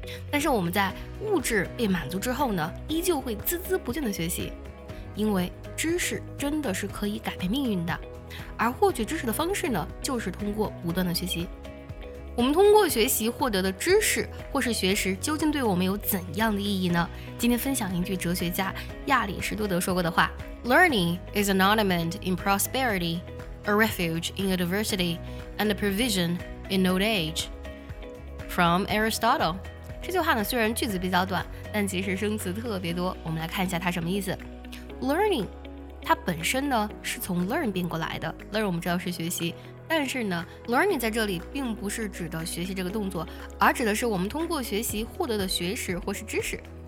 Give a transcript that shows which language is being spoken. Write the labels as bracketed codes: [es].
[zh] 但是我们在物质被满足之后呢，依旧会孜孜不倦的学习，因为知识真的是可以改变命运的，而获取知识的方式呢，就是通过不断的学习。我们通过学习获得的知识或是学识，究竟对我们有怎样的意义呢？今天分享一句哲学家亚里士多德说过的话： [en] Learning is an ornament in prosperity, a refuge in adversity, and a provision in old age. From Aristotle. [zh] 这句话呢，虽然句子比较短，但其实生词特别多，我们来看一下它什么意思。 Learning 它本身呢是从 learn 变过来的， learn 我们知道是学习，但是呢 learning 在这里并不是指的学习这个动作，而指的是我们通过学习获得的学识或是知识。